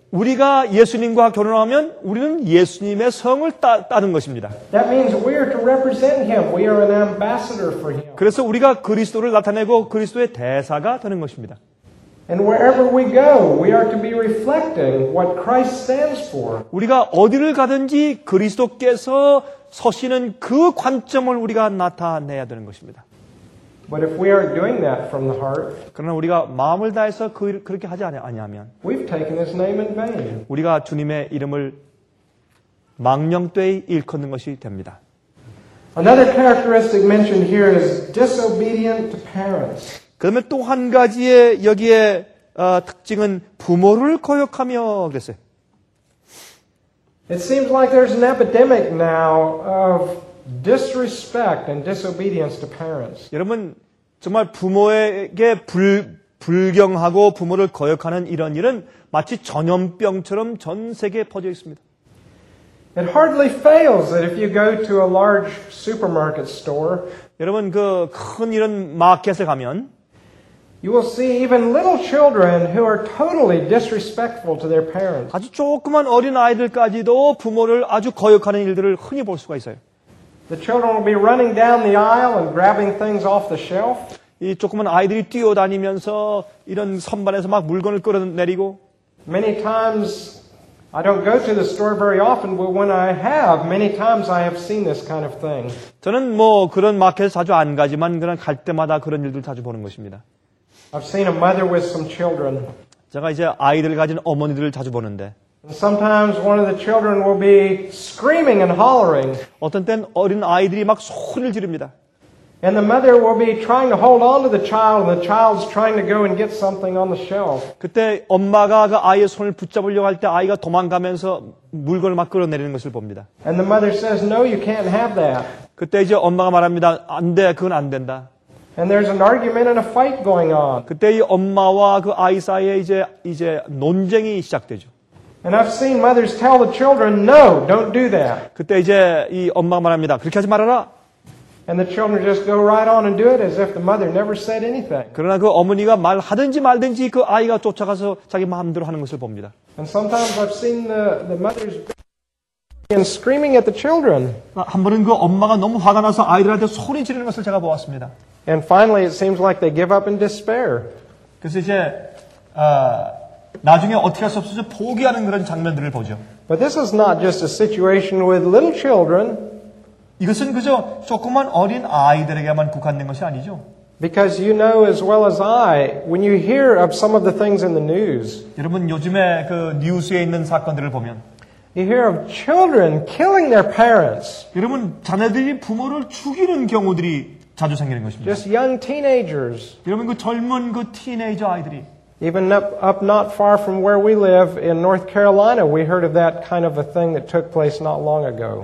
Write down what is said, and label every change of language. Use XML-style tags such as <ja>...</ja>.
<ko>우리가 예수님과 결혼하면 우리는 예수님의 성을 따는 것입니다.</ko> <en>That means we are to represent him. We are an ambassador for him.</en> <ko>그래서 우리가 그리스도를 나타내고 그리스도의 대사가 되는 것입니다.</ko> <en>And wherever we go, we are to be reflecting what Christ stands for.</en> <ko>우리가 어디를 가든지 그리스도께서 서시는 그 관점을 우리가 나타내야 되는 것입니다.</ko> <en>But if we aren't doing that from the heart,</en> <ko>그러나 우리가 마음을 다해서 그렇게 하지 아니하면,</ko> <en>we've taken his name in vain.</en> <ko>우리가 주님의 이름을 망령되이 일컫는 것이 됩니다.</ko> <en>Another characteristic mentioned here is disobedient to parents.</en> <ko>그러면 또 한 가지의 여기에 특징은 부모를 거역하며 그랬어요.</ko> <en>It seems like there's an epidemic now of disrespect and disobedience to parents.</en> <ko>여러분 정말 부모에게 불경하고 부모를 거역하는 이런 일은 마치 전염병처럼 전 세계에 퍼져 있습니다.</ko> <en>It hardly fails that if you go to a large supermarket store,</en> <ko>여러분 그 큰 이런 마켓에 가면</ko> <en>you will see even little children who are totally disrespectful to their parents.</en> <ko>아주 조그만 어린 아이들까지도 부모를 아주 거역하는 일들을 흔히 볼 수가 있어요.</ko> <en>The children will be running down the aisle and grabbing things off the shelf.</en> <ko>이 조그만 아이들이 뛰어다니면서 이런 선반에서 막 물건을 끌어내리고.</ko> <en>Many times, I don't go to the store very often, but when I have, many times I have seen this kind of thing.</en> <ko>저는 뭐 그런 마켓에 자주 안 가지만 그냥 갈 때마다 그런 일들 자주 보는 것입니다.</ko> <en>I've seen a mother with some children.</en> <ko>제가 이제 아이들을 가진 어머니들을 자주 보는데.</ko> <en>Sometimes one of the children will be screaming and hollering.</en> <ko>어떤 땐 어린 아이들이 막 소리를 지릅니다.</ko> <en>And the mother will be trying to hold on to the child, and the child's trying to go and get something on the shelf.</en> <ko>그때 엄마가 그 아이의 손을 붙잡으려고 할 때 아이가 도망가면서 물건을 막 끌어내리는 것을 봅니다.</ko> <en>And the mother says, "No, you can't have that."</en> <ko>그때 이제 엄마가 말합니다. 안 돼, 그건 안 된다.</ko> <en>And there's an argument and a fight going on.</en> <ko>그때 이 엄마와 그 아이 사이에 이제 논쟁이 시작되죠.</ko> <en>And I've seen mothers tell the children, "No, don't do that."</en> <ko>그때 이제 이 엄마가 말합니다. 그렇게 하지 말아라.</ko> <en>And the children just go right on and do it as if the mother never said anything.</en> <ko>그러나 그 어머니가 말하든지 말든지 그 아이가 쫓아가서 자기 마음대로 하는 것을 봅니다.</ko> <en>And sometimes I've seen the mothers and screaming at the children.</en> <ko>한 번은 그 엄마가 너무 화가 나서 아이들한테 소리 지르는 것을 제가 보았습니다.</ko> <en>And finally, it seems like they give up in despair.</en> <ko>그래서 이제 나중에 어떻게 할 수 없어서 포기하는 그런 장면들을 보죠.</ko> <en>But this is not just a situation with little children.</en> <ko>이것은 그저 조그만 어린 아이들에게만 국한된 것이 아니죠.</ko> <en>Because you know as well as I, when you hear of some of the things in the news.</en> <ko>여러분 요즘에 그 뉴스에 있는 사건들을 보면.</ko> <en>You hear of children killing their parents.</en> <ko>여러분 자녀들이 부모를 죽이는 경우들이 자주 생기는 것입니다.</ko> <en>Just young teenagers.</en> <ko>여러분 그 젊은 그 티네이저 아이들이.</ko> <en>Even up not far from where we live in North Carolina, we heard of that kind of a thing that took place not long ago.</en>